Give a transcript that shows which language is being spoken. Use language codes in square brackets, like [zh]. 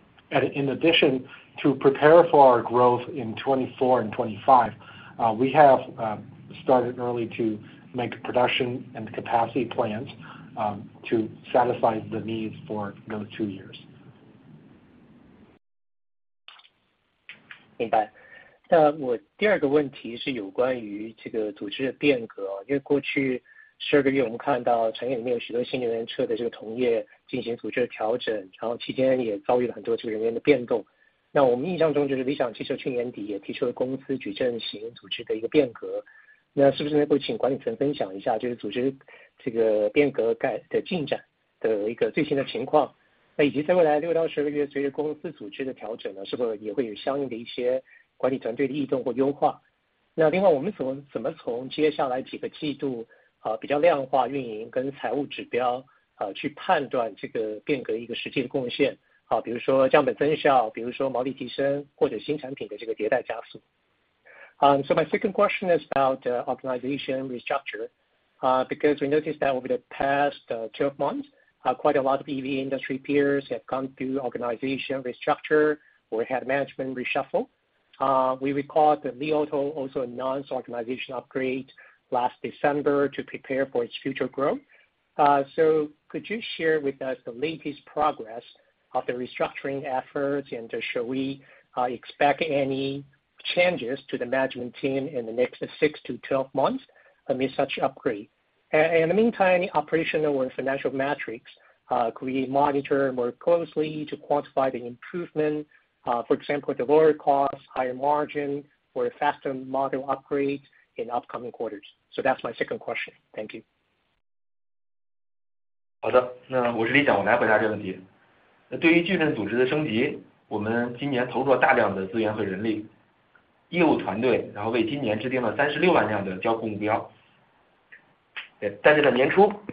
[en] And in addition, to prepare for our growth in 24 and 25, we have started early to make production and capacity plans to satisfy the needs for those 2 years. [zh] 明白。那我第二个问题是有关于这个组织的变革，因为过去十二个月我们看到产业里面有许多新能源车的这个同业进行组织的调整，然后期间也遭遇了很多这个人员的变动。那我们印象中就是理想汽车去年底也提出了公司矩阵型组织的一个变革，那是不是能够请管理层分享一下就是组织这个变革的进展的一个最新的情况，那以及在未来六到十个月随着公司组织的调整呢，是否也会有相应的一些管理团队的异动或优化，那另外我们怎么从接下来几个季度比较量化运营跟财务指标去判断这个变革一个实际的贡献，比如说降本增效，比如说毛利提升，或者新产品的这个迭代加速。 [en] So my second question is about the organization restructure, because we noticed that over the past 12 months, quite a lot of EV industry peers have gone through organization restructure or had management reshuffle. We recall that Li Auto also announced organization upgrade last December to prepare for its future growth. So could you share with us the latest progress of the restructuring efforts, and should we expect any changes to the management team in the next 6 to 12 months amid such upgrade? And in the meantime, any operational or financial metrics could we monitor more closely to quantify the improvement, for example, the lower cost, higher margin, or faster model upgrades in upcoming quarters? So that's my second question. Thank you. [zh] 好的，那我是李想，我来回答这个问题。那对于矩阵组织的升级，我们今年投入了大量的资源和人力，业务团队然后为今年制定了36万辆的交付目标。但是在年初，